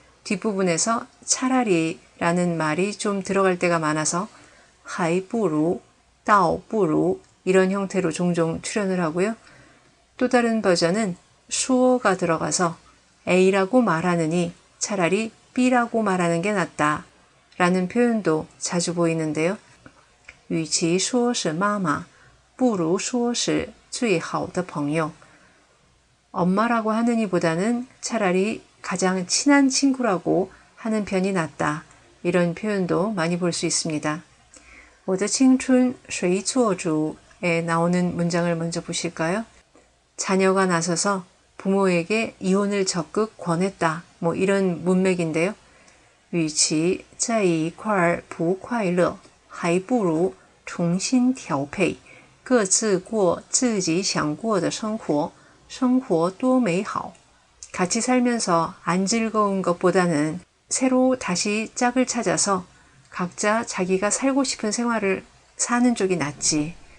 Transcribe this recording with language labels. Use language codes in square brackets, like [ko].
[ko] 뒷부분에서 차라리라는 말이 좀 들어갈 때가 많아서 [zh] 还不如 倒不如 [ko] 이런 형태로 종종 출연을 하고요. 또 다른 버전은 수어가 들어가서 A라고 말하느니 차라리 B라고 말하는 게 낫다 라는 표현도 자주 보이는데요. [zh] 与其说是妈妈，不如说是最好的朋友。 [ko] 엄마라고 하느니보다는 차라리 가장 친한 친구라고 하는 편이 낫다. 이런 표현도 많이 볼수 있습니다. 我的青春谁做主?에 나오는 문장을 먼저 보실까요? 자녀가 나서서 부모에게 이혼을 적극 권했다. 뭐 이런 문맥인데요. [zh] 与其在一块不快乐,还不如 重新调配，各自过自己想过的生活，生活多美好。 [ko] 같이살면서안즐거운것보다는새로다시짝을찾아서각자자기가살고싶은생활을사는쪽이낫지。